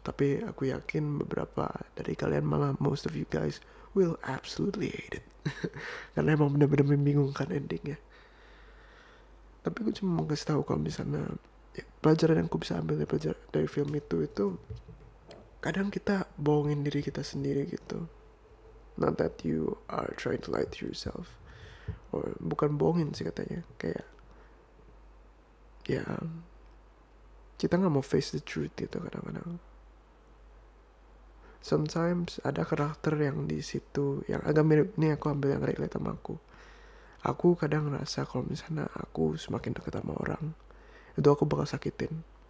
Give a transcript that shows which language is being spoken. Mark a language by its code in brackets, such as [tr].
[id] Tapi aku yakin beberapa dari kalian, malah [en] most of you guys, will absolutely hate it. [id] Karena emang benar-benar membingungkan endingnya. Tapi gue cuma mau kasih tahu kalau misalnya ya, pelajaran yang gue bisa ambil dari film itu, kadang kita bohongin diri kita sendiri gitu. [en] Not that you are trying to lie to yourself. [id] Or bukan bohongin sih katanya. Kayak, ya, kita gak mau [en] face the truth [id] gitu kadang-kadang. Sometimes ada karakter yang di situ yang agak mirip. Ini aku ambil yang relate sama aku. Aku kadang ngerasa kalau misalnya aku semakin dekat sama orang, itu aku bakal sakitin.